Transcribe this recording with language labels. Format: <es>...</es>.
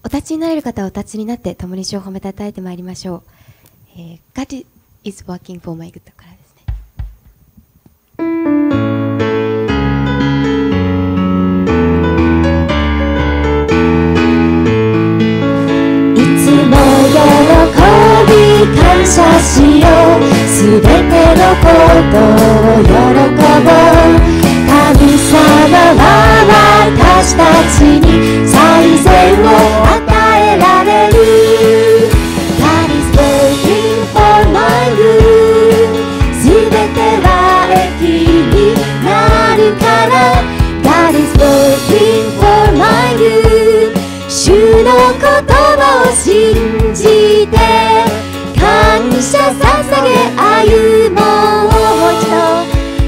<ja>お立ちになれる方はお立ちになって、共に主を褒めたたえてまいりましょう。</ja> <en>God is working for my good</en> <ja>からですね。いつも喜び感謝しよう。すべてのことを喜ぼう。神様は私たちに最善を与えられる。</ja> <en>God is working for my good。</en> <ja>すべては益になるから。</ja> <en>God is working for my good。</en> <ja>主の言葉を信じて感謝捧げ歩もう。</ja>